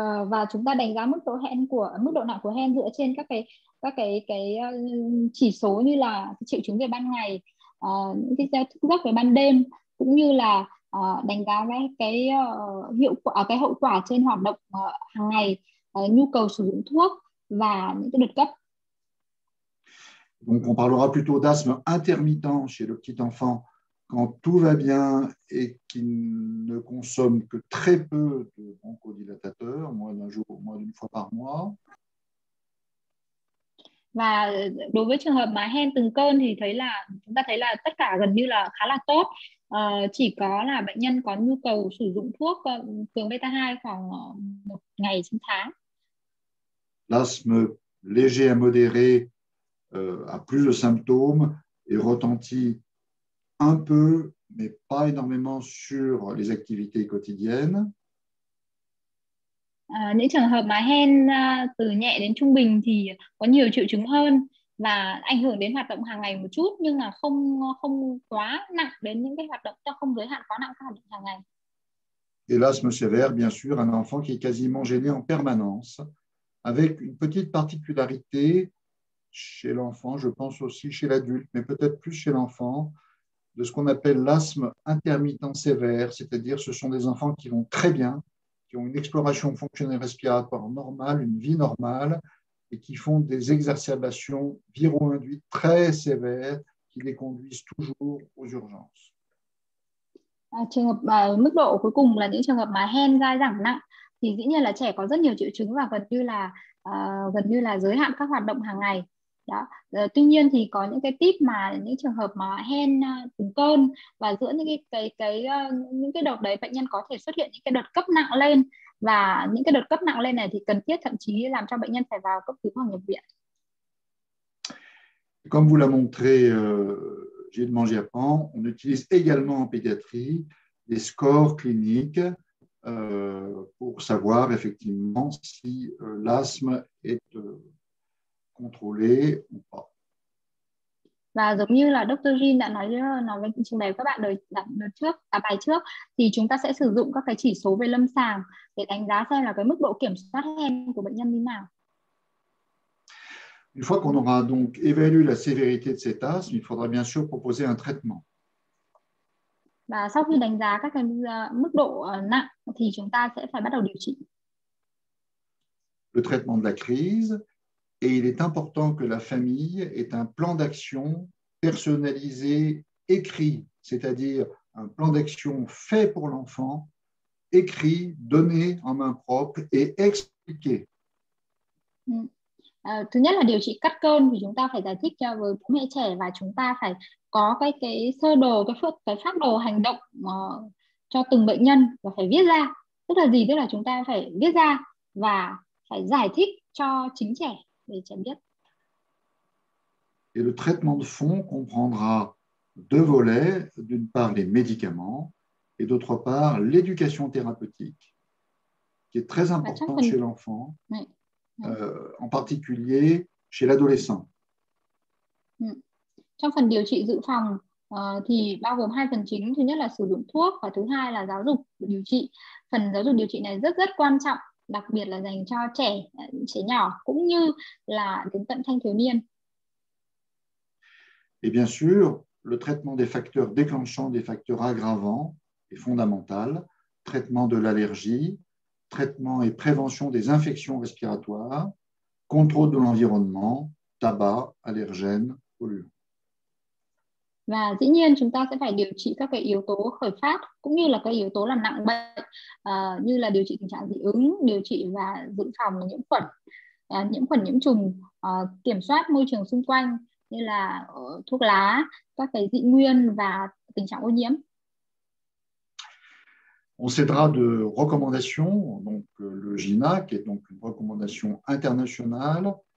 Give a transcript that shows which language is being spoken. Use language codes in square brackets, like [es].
[vi] Và chúng ta đánh giá mức độ hen của mức độ nặng của hen dựa trên các cái chỉ số như là triệu chứng về ban ngày, những cái thức giấc về ban đêm, cũng như là đánh giá cái hiệu quả, cái hậu quả trên hoạt động hàng ngày, nhu cầu sử dụng thuốc và những cái đợt cấp. [fr] Donc, on parlera plutôt d'asthme intermittent chez le petit enfant quand tout va bien et qu'il ne consomme que très peu de bronchodilatateurs, moins d'un jour, moins d'une fois par mois. [vi] Và đối với trường hợp mà hen từng cơn thì thấy là chúng ta thấy là tất cả gần như là khá là tốt, chỉ có là bệnh nhân có nhu cầu sử dụng thuốc cường beta 2 khoảng 1 ngày trên tháng. [fr] L'asthme léger à modéré a plus de symptômes et retentit un peu, mais pas énormément sur les activités quotidiennes. [vi] Những trường hợp mà hen từ nhẹ đến trung bình thì có nhiều triệu chứng hơn và ảnh hưởng đến hoạt động hàng ngày một chút, nhưng mà không không quá nặng đến những cái hoạt động, cho không giới hạn quá nặng các hoạt động hàng ngày. [fr] Et l'asthme sévère, bien sûr, un enfant qui est quasiment gêné en permanence, avec une petite particularité. Chez l'enfant, je pense aussi chez l'adulte, mais peut-être plus chez l'enfant, de ce qu'on appelle l'asthme intermittent sévère, c'est-à-dire ce sont des enfants qui vont très bien, qui ont une exploration fonctionnelle respiratoire normale, une vie normale, et qui font des exacerbations viro-induites très sévères qui les conduisent toujours aux urgences. [vi] Trường hợp mức độ cuối cùng là những trường hợp mà hen dai dẳng nặng, thì dĩ nhiên là trẻ có rất nhiều triệu chứng và gần như là giới hạn các hoạt động hàng ngày đó. Tuy nhiên thì có những cái tip mà những trường hợp mà hen từng cơn, và giữa những cái đợt đấy bệnh nhân có thể xuất hiện những cái đợt cấp nặng lên, và những cái đợt cấp nặng lên này thì cần thiết thậm chí làm cho bệnh nhân phải vào cấp cứu hoặc nhập viện. [fr] Comme vous l'a montré Gilles Mangiapane, on utilise également en pédiatrie des scores cliniques pour savoir effectivement si l'asthme est contrôlé ou pas. [vi] Và giống như là Dr. Jin đã nói với trình bày các bạn bài trước, thì chúng ta sẽ sử dụng các cái chỉ số về lâm sàng để đánh giá xem là cái mức độ kiểm soát hen của bệnh nhân như nào. [fr] Une fois qu'on aura donc évalué la sévérité de cet asthme, il faudra bien sûr proposer un traitement. [vi] Và sau khi đánh giá các cái mức độ nặng thì chúng ta sẽ phải bắt đầu điều trị. [fr] Le traitement de la crise, et il est important que la famille ait un plan d'action personnalisé, écrit, c'est-à-dire un plan d'action fait pour l'enfant, écrit, donné en main propre et expliqué. [vi] Thứ nhất là điều trị cắt cơn thì chúng ta phải giải thích cho với bố mẹ trẻ, và chúng ta phải có cái sơ đồ, cái phác đồ hành động cho từng bệnh nhân, và phải viết ra. Tức là gì? Tức là chúng ta phải viết ra và phải giải thích cho chính trẻ để trẻ biết. [fr] Et le traitement de fond comprendra deux volets, d'une part les médicaments et d'autre part l'éducation thérapeutique, qui est très [vi] Và trong [fr] importante [vi] phần [fr] chez l'enfant, [vi] này. [fr] en particulier chez l'adolescent. [vi] Trong phần điều trị dự phòng thì bao gồm hai phần chính, thứ nhất là sử dụng thuốc và thứ hai là giáo dục điều trị. Phần giáo dục điều trị này rất rất quan trọng, đặc biệt là dành cho trẻ trẻ nhỏ cũng như là đến tận thanh thiếu niên. [fr] Et bien sûr, le traitement des facteurs déclenchants, des facteurs aggravants est fondamental. Traitement de l'allergie, traitement et prévention des infections respiratoires, contrôle de l'environnement, tabac, allergènes, polluants. [vi] Và dĩ nhiên chúng ta sẽ phải điều trị các cái yếu tố khởi phát cũng như là các yếu tố làm nặng bệnh như là điều trị tình trạng dị ứng, điều trị và dự phòng nhiễm khuẩn nhiễm trùng, kiểm soát môi trường xung quanh như là thuốc lá, các cái dị nguyên và tình trạng ô nhiễm. [fr] On s'aidera de recommandations, donc le GINA, qui est donc une recommandation internationale.